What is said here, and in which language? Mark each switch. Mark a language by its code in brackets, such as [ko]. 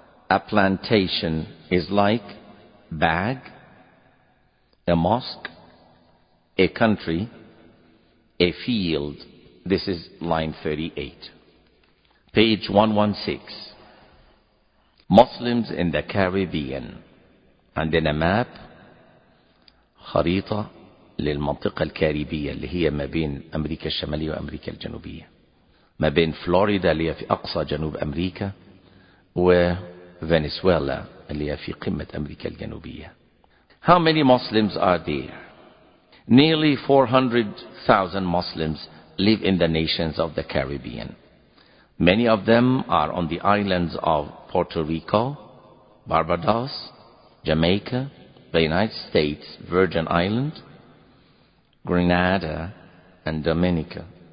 [en] A plantation is like bag, a mosque, a country, a field. This is line 38. Page 116. Muslims in the Caribbean. And in a map, [ar] خريطة للمنطقة الكاريبية اللي هي ما بين أمريكا الشمالية وأمريكا الجنوبية. ما بين فلوريدا اللي هي في أقصى جنوب أمريكا وفنزويلا اللي هي في قمة أمريكا الجنوبية. [en] How many Muslims are there? Nearly 400,000 Muslims live in the nations of the Caribbean. Many of them are on the islands of Puerto Rico, Barbados, Jamaica, the United States, Virgin Islands, Grenada, and Dominica.